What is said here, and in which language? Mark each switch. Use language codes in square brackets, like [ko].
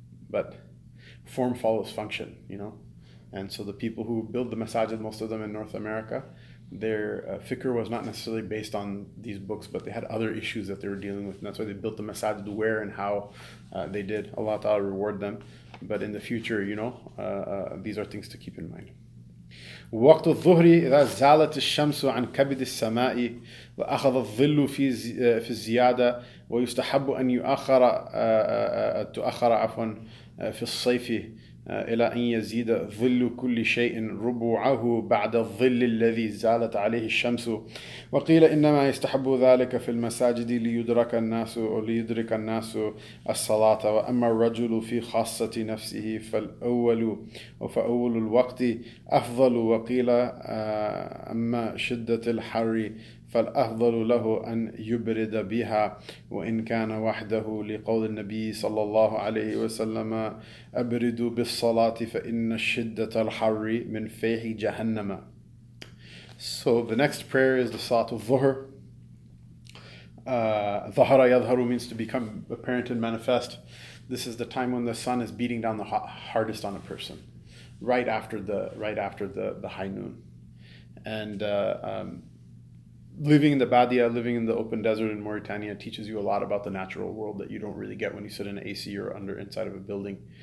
[en] But form follows function, you know. And so the people who build the masajid, most of them in North America, their fikr was not necessarily based on these books, but they had other issues that they were dealing with. And that's why they built the masajid where and how they did. Allah Ta'ala reward them. But in the future, you know, these are things to keep in mind. [ar] وقت الظهر إذا زالت الشمس عن كبد السماء وأخذ الظل في الزيادة ويستحب أن يؤخر عفوا في الصيف إلى أن يزيد ظل كل شيء ربعه بعد الظل الذي زالت عليه الشمس وقيل إنما يستحب ذلك في المساجد ليدرك الناس الصلاة وأما الرجل في خاصة نفسه فأول الوقت أفضل وقيل أما شدة الحر فالأفضل له أن يبرد بها وإن كان وحده لقول النبي صلى الله عليه وسلم أبرد بالصلاة فإن الشدة الحر من فيح جهنم. [en] So the next prayer is the Salat of Dhuhr. [ar] Dhahara yadharu [en] means to become apparent and manifest. This is the time when the sun is beating down the hardest on a person, right after the high noon. And living in the Badia, living in the open desert in Mauritania, teaches you a lot about the natural world that you don't really get when you sit in an AC or under inside of a building.